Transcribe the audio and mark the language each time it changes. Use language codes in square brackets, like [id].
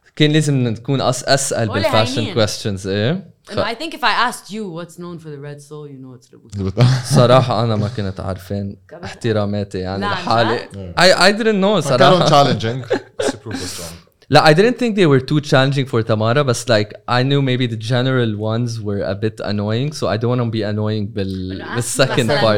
[ar] كان لازم نكون أسأل بالفاشن [en] questions [ar] إيه. [en] I think if I asked you what's known for the red sole, you know it's Louboutin. [ar] صراحة أنا ما كنت عارفين احتراماتي يعني لحالي. [en] I didn't know [ar] صراحة. كانوا [en] challenging. Super strong. [ar] لا [en] I didn't think they were too challenging for Tamara, but like I knew maybe the general ones were a bit annoying, so I don't want to be annoying [ar] بال [en] second part.